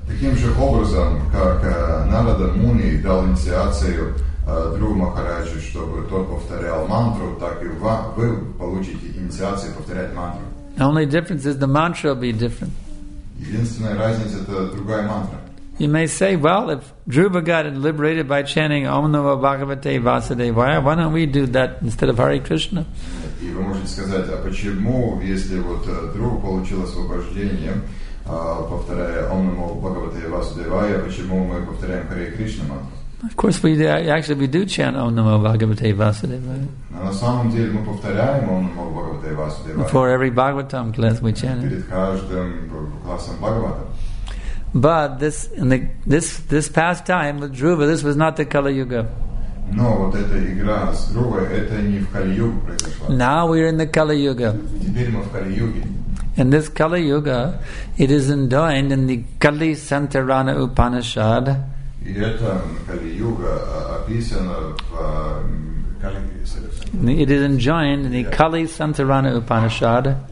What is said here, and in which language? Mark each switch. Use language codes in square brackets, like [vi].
[ru] Таким же образом, как Narada Muni дал инициацию Дрю Махараджу, чтобы тот повторял мантру, так и вы получите инициацию повторять мантру. [en] The only difference is the mantra will be different. [ru] Единственная разница — это другая мантра. [en] You may say, well, if Dhruva got liberated by chanting Om Namo Bhagavate Vasudevaya, why don't we do that instead of Hare Krishna? [ru] И вы можете сказать, а почему, если вот Дхрува получил освобождение, повторяя Ом Намо Бхагавате Васудевая, почему мы повторяем Харе Кришна мантру? [en] Of course, we do, actually we do chant Om Namo Bhagavate Vasudevaya. [ru] Но на самом деле мы повторяем Ом Намо Бхагавате Васудевая. [en] Before every Bhagavatam class we chant. [ru] Перед каждым классом Бхагавата. [en] But this in the this past time with Dhruva, this was not the Kali Yuga. [ru] Но вот эта игра с Дхрувой, это не в Кали-Югу произошла. [en] Now we're in the Kali-Yuga. [ru] Теперь мы в Кали-Юге. [en] And this Kali-Yuga, it is enjoined in the Kali Santarana Upanishad. [ru] И это Kali-Yuga описано в Kali-Santarana. [en] It is enjoined in the Kali Santarana Upanishad.